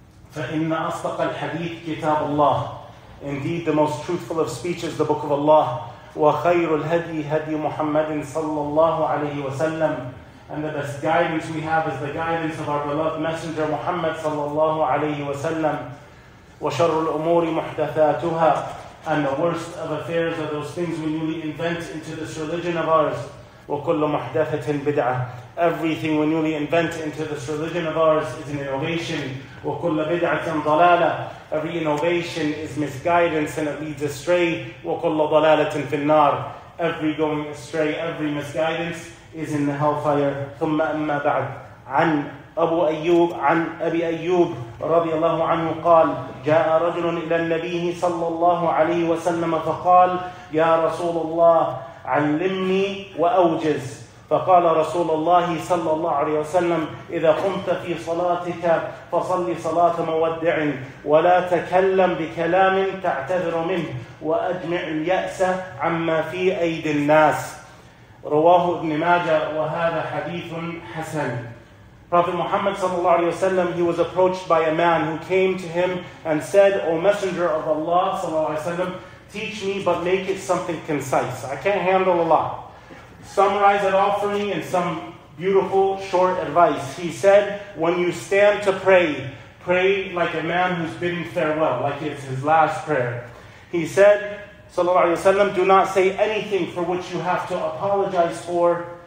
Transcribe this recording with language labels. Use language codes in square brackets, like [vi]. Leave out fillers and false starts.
[ar] فإن أصدق الحديث كتاب الله [en] Indeed the most truthful of speech is the book of Allah [ar] وخير الهدي هدي محمد صلى الله عليه وسلم [en] And the best guidance we have is the guidance of our beloved messenger Muhammad [ar] صلى الله عليه وسلم وشر الأمور محدثاتها [en] And the worst of affairs are those things we newly invent into this religion of ours. [ar] وكل محدثة بدعة. [en] Everything we newly invent into this religion of ours is an innovation. [ar] وكل بدعة ضلالة. [en] Every innovation is misguidance and it leads astray. [ar] وكل ضلالة في النار. [en] Every going astray, every misguidance is in the hellfire. [ar] ثم أما بعد. عن أبو أيوب عن أبي أيوب رضي الله عنه قال جاء رجل إلى النبي صلى الله عليه وسلم فقال يا رسول الله علمني وأوجز فقال رسول الله صلى الله عليه وسلم إذا قمت في صلاتك فصلي صلاة مودع ولا تكلم بكلام تعتذر منه وأجمع اليأس عما في أيدي الناس رواه ابن ماجه وهذا حديث حسن [en] Prophet Muhammad sallallahu alayhi wasallam, he was approached by a man who came to him and said, O Messenger of Allah sallallahu alayhi wasallam, teach me but make it something concise. I can't handle a lot. Summarize it all for me in some beautiful short advice. He said, when you stand to pray, pray like a man who's bidding farewell, like it's his last prayer. He said, sallallahu alayhi wasallam, do not say anything for which you have to apologize for.